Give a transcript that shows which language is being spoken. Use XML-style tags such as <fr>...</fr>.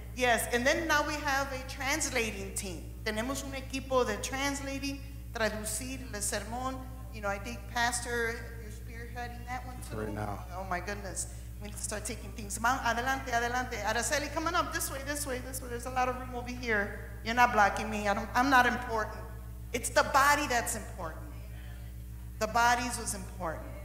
<en>Yes, and then now we have a translating team.</en> <es>Tenemos un equipo de translating, traducir el sermón.</es> <en>I think Pastor, you're spearheading that one too. Right now. Oh my goodness. We need to start taking things. Adelante. Araceli, come on up this way. There's a lot of room over here. You're not blocking me. I'm not important. It's the body that's important. The bodies was important.</en>